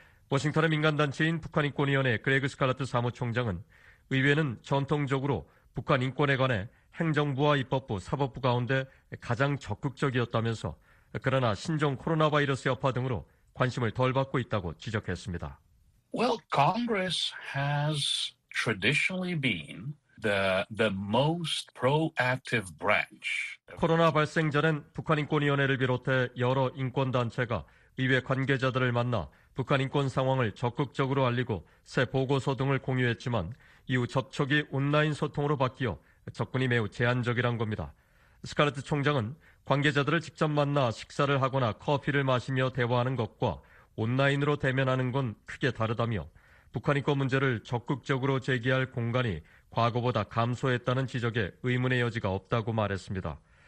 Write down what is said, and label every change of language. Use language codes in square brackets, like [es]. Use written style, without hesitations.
[ko] 워싱턴의 민간단체인 북한 인권위원회 그레그 스칼라트 사무총장은 의회는 전통적으로 북한 인권에 관해 행정부와 입법부, 사법부 가운데 가장 적극적이었다면서 그러나 신종 코로나 바이러스 여파 등으로 관심을 덜 받고 있다고 지적했습니다. [en] Well, Congress has traditionally been the most proactive branch. [ko] 코로나 발생 전엔 북한인권위원회를 비롯해 여러 인권단체가 의회 관계자들을 만나 북한 인권 상황을 적극적으로 알리고 새 보고서 등을 공유했지만 이후 접촉이 온라인 소통으로 바뀌어 접근이 매우 제한적이란 겁니다. 스칼레트 총장은 관계자들을 직접 만나 식사를 하거나 커피를 마시며 대화하는 것과 온라인으로 대면하는 건 크게 다르다며 북한 인권 문제를 적극적으로 제기할 공간이 과거보다 감소했다는 지적에 의문의 여지가 없다고 말했습니다.